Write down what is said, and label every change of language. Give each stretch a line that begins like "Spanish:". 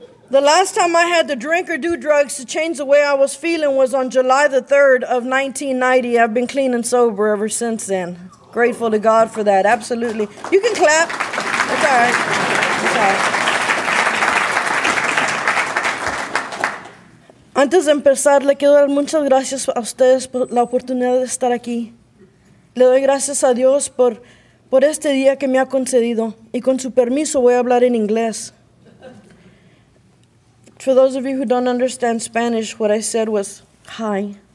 English: The last time I had to drink or do drugs to change the way I was feeling was on July the 3rd of 1990. I've been clean and sober ever since then. Grateful to God for that. Absolutely. You can clap. It's all right.
Spanish: Antes de empezar, le quiero dar muchas gracias a ustedes por la oportunidad de estar aquí. Le doy gracias a Dios por este día que me ha concedido. Y con su permiso, voy a hablar en inglés.
English: For those of you who don't understand Spanish, what I said was, hi.